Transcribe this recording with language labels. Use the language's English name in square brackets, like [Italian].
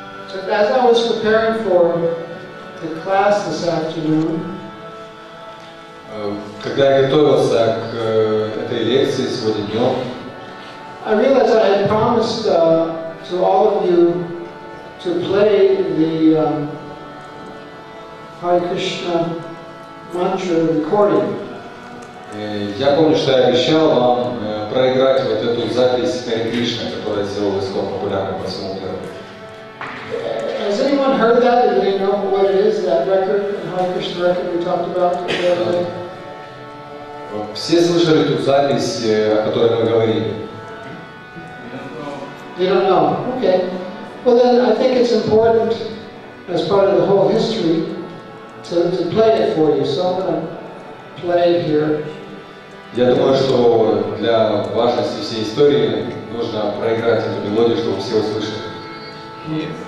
[English] So as I was preparing for the class this afternoon, [Russian] когда я готовился к этой лекции сегодня днем, [English] I realized I had promised to all of you to play the Hare Krishna mantra recording. [Russian] Я помню, что я обещал вам проиграть вот эту запись Хари Кришна, которая сделала ИСКОН популярным по всему миру. [English] Has anyone heard that? Do you know what it is, that record, the Hari Krishna record we talked about the other day? [Russian] Все слышали ту запись, о которой мы говорили? [English] You don't know. Okay. Well then I think it's important as part of the whole history to play it for you. So I'm going to play it here. [Russian] Я думаю, что для важности всей истории нужно проиграть эту мелодию, чтобы все услышали.